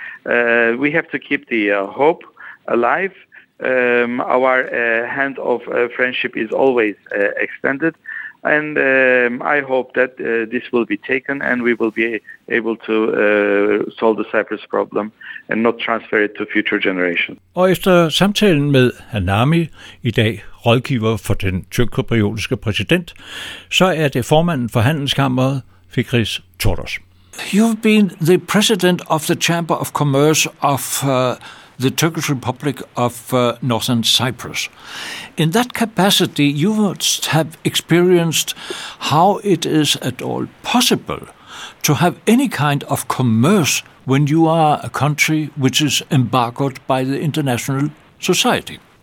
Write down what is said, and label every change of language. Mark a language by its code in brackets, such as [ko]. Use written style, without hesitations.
[en] We have to keep the hope alive. Our hand of friendship is always extended. And I hope that this will be taken and we will be able to solve the Cyprus problem and not transfer it to future generations. [da] Og efter samtalen med Hanami, i dag rådgiver for den tyrkopriotiske præsident, så er det formanden for Handelskammeret, Fikris Tordos. [en] You've been the president of the Chamber of Commerce of the Turkish Republic of Northern Cyprus. In that capacity, you must have experienced how it is at all possible to have any kind of commerce when you are a country which is embargoed by the international society.